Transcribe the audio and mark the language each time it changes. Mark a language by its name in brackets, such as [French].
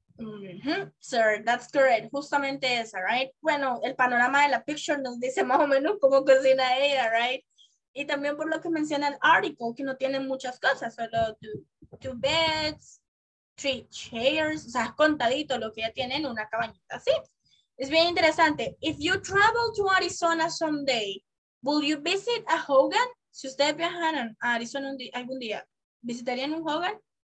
[English] Mm-hmm, sir, that's correct. [Spanish] Justamente esa, [English] right? [Spanish] Bueno, el panorama de la picture nos dice más o menos cómo cocina ella, right? Y también por lo que menciona el article, que no tiene muchas cosas, solo [English] two beds, three chairs, [Spanish] o sea, es contadito lo que ya tiene en una cabañita, ¿sí? Es bien interesante. [English] If you travel to Arizona someday, will you visit a Hogan? [Spanish] Si ustedes viajaran a Arizona algún día, ¿visitarían un Hogan?